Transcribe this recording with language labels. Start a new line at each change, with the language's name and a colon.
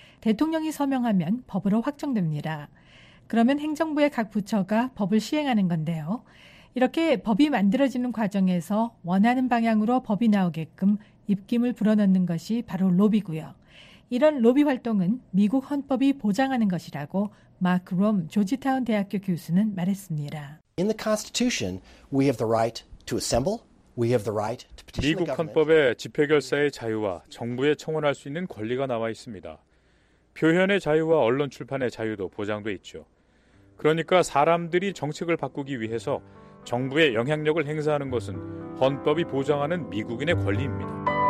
Korean: 대통령이 서명하면 법으로 확정됩니다. 그러면 행정부의 각 부처가 법을 시행하는 건데요. 이렇게 법이 만들어지는 과정에서 원하는 방향으로 법이 나오게끔 입김을 불어넣는 것이 바로 로비고요. 이런 로비 활동은 미국 헌법이 보장하는 것이라고 마크 롬 조지타운 대학교 교수는 말했습니다.
English: In the Constitution, we have the right to assemble. We have the right to petition the government.
Korean: 미국 헌법에 집회 결사의 자유와 정부에 청원할 수 있는 권리가 나와 있습니다. 표현의 자유와 언론 출판의 자유도 보장돼 있죠. 그러니까 사람들이 정책을 바꾸기 위해서 정부의 영향력을 행사하는 것은 헌법이 보장하는 미국인의 권리입니다.